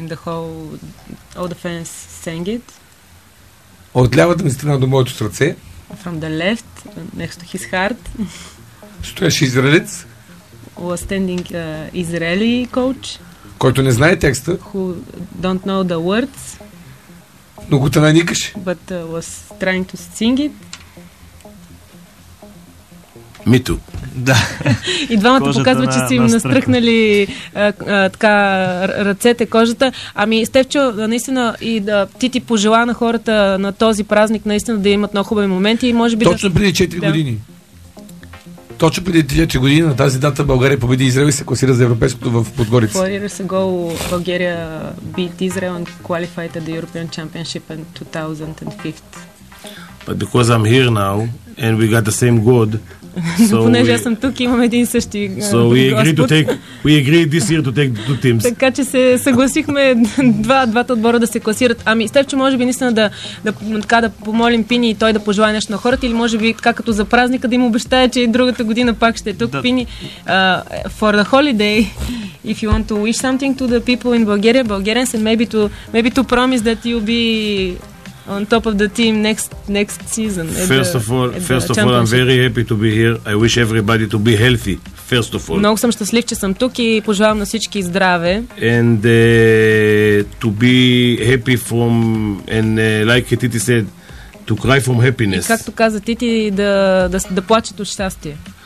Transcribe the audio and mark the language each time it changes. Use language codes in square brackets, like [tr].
[en] And the whole all the fans sang it. [bg] От лявата ми страна до моето сърце? [en] From the left next to his heart. [bg] Стоеше израелец. [en] Was standing Israeli coach. [bg] Който не знае текста. [en] Who don't know the words. [bg] Но го тренираше. [en] But was trying to sing it. Me too. [bg] Да. И двамата показват, че си им настръхнали така ръцете, кожата. Ами, Стефчо, наистина и да ти ти пожела на хората на този празник, наистина да имат много хубави моменти и може би точно преди 4 години. точно преди 3 години на тази дата България победи Израел и се класира за европейското в Подгорица. [en] Four years ago, България beat Israel and qualified at the European Championship in 2005. But because I'm here now and we got the same God, [bg] so понеже аз съм тук, имаме един същи [en] So we agreed this year to take the two teams. [bg] Така че се съгласихме двата отбора да се класират. Ами, Стефчо, може би наистина да помолим Пини и той да пожелае нещо на хората, или може би така като за празника да им обещая, че и другата година пак ще е тук. [en] Пини, for the holiday, if you want to wish something to the people in Bulgaria, Bulgarians, and maybe to promise that you'll be on top of the team next season. First of all, I'm very happy to be here. I wish everybody to be healthy. First of all. [bg] Много съм щастлив, че съм тук и пожелавам на всички здраве. [en] And to be happy from and like Titi said, to cry from happiness. [bg] И както каза Titi, да плачат от щастие.